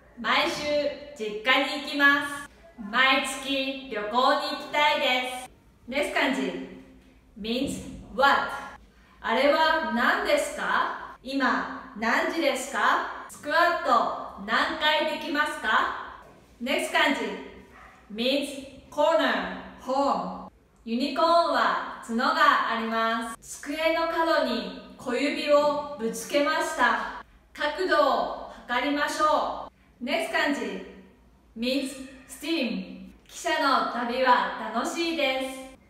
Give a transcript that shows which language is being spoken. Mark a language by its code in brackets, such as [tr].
[ja] 毎週実家に行きます。毎月旅行に行きたいです。 [en] Next kanji means what? [ja] あれは何ですか? 今何時ですか? スクワット何回できますか? [en] Next kanji means corner, home. [ja] ユニコーンは角があります。机の角に小指をぶつけました。角度を測りましょう。 [en] Next kanji means steam. [ja] 汽車の旅は楽しいです。